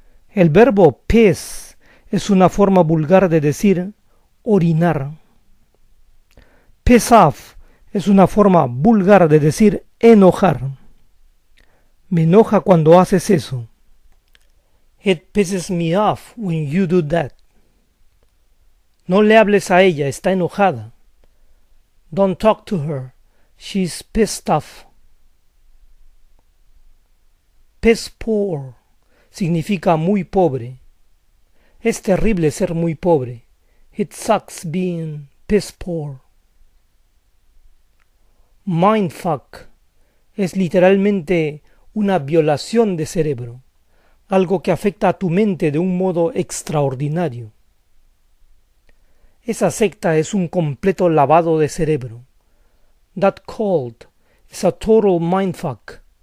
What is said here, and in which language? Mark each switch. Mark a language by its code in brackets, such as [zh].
[es] El verbo piss es una forma vulgar de decir orinar. Piss off es una forma vulgar de decir enojar. Me enoja cuando haces eso. [en] It pisses me off when you do that. [es] No le hables a ella, está enojada. [en] Don't talk to her. She's pissed off. [es] Piss poor significa muy pobre. Es terrible ser muy pobre. [en] It sucks being piss poor. [es] Mindfuck es literalmente una violación de cerebro, algo que afecta a tu mente de un modo extraordinario. Esa secta es un completo lavado de cerebro. [en] That cult is a total mindfuck.